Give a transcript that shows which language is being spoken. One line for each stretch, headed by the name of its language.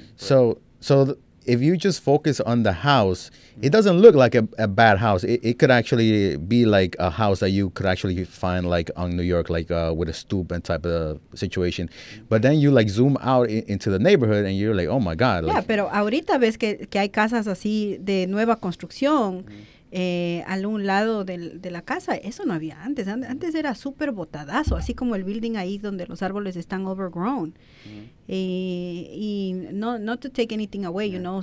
English: Right? So if you just focus on the house, it doesn't look like a bad house. It could actually be like a house that you could actually find like on New York, like with a stoop and type of situation. But then you like zoom out into the neighborhood and you're like, oh my God. Yeah, like,
Spanish: pero ahorita ves que hay casas así de nueva construcción. Mm-hmm. algún lado de la casa. Eso no había antes. Antes era súper botadazo, así como el building ahí donde los árboles están overgrown.
English: Y no to take anything away, you know.